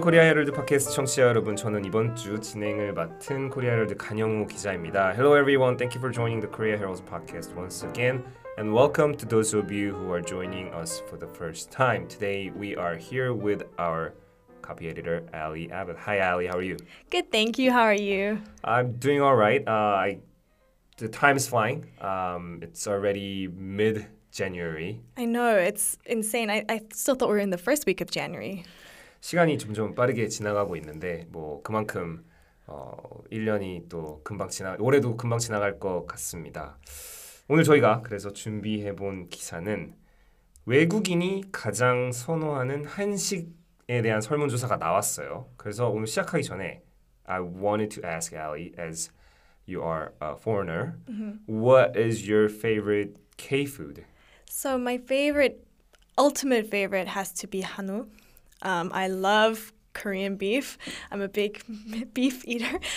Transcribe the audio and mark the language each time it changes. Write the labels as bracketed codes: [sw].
[ko] 코리아 헤럴드 팟캐스트 청취자 여러분. 저는 이번 주 진행을 맡은 코리아 헤럴드 강영우 기자입니다. [en] Hello everyone. Thank you for joining the Korea Herald podcast once again. And welcome to those of you who are joining us for the first time. Today we are here with our copy editor, Ali Abbott. Hi Ali, how are you? Good, thank you. How are you? I'm doing all right. The time is flying. It's already mid-January. I know, it's insane. I still thought we were in the first week of January. [ko] 시간이 점점 빠르게 지나가고 있는데 뭐 그만큼 1년이 또 금방 올해도 금방 지나갈 것 같습니다. 오늘 저희가 그래서 준비해본 기사는 외국인이 가장 선호하는 한식에 대한 설문조사가 나왔어요. 그래서 오늘 시작하기 전에 [en] I wanted to ask Ali, as you are a foreigner, what is your favorite K-food? So my favorite, ultimate favorite has to be Hanu. I love Korean beef. I'm a big beef eater.